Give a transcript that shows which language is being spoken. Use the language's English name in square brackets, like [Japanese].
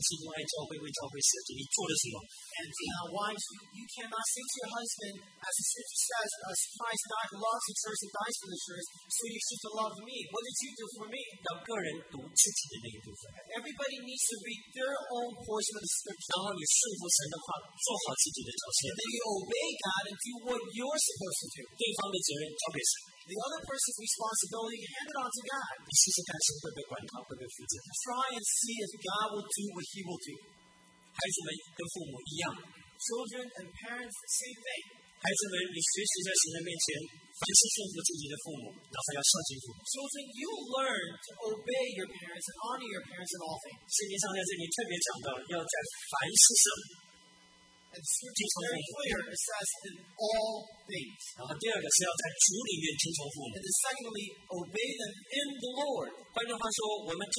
[Chinese] 同样的姊妹不能够对丈夫说，像圣经上说要爱妻子，像基督爱教会，为教会舍己，你做了什么？ [English] And now, wives, you cannot say to your husband, as the scripture says, as Christ died, loves the church, and dies for the church, so you should love me. What did you do for me? [Chinese] 要个人读自己的那一部分。 [English] Everybody needs to read their own portion of the scripture. [Chinese] 然后你顺服神的话，做好自己的角色。 [English] Then you obey God and do what you're supposed to do. [Chinese] 对方的责任交给神。 [English] The other person's responsibility, hand it on to God. Try and see if God will do what He will do. [Chinese] 孩子们跟父母一样, [English] children and parents, the same thing. [Chinese] 孩子们，你随时在神的面前，凡事顺服自己的父母，然后要孝敬父母。 [English] Children, you learn to obey your parents and honor your parents in all things. [Chinese] 圣经上在这里特别讲到，要在凡事上。 [English] And scripture is very clear, it says, in all things. [Chinese] 然后第二个是要在主里面听从父母。 [English] And then secondly, obey them in the Lord.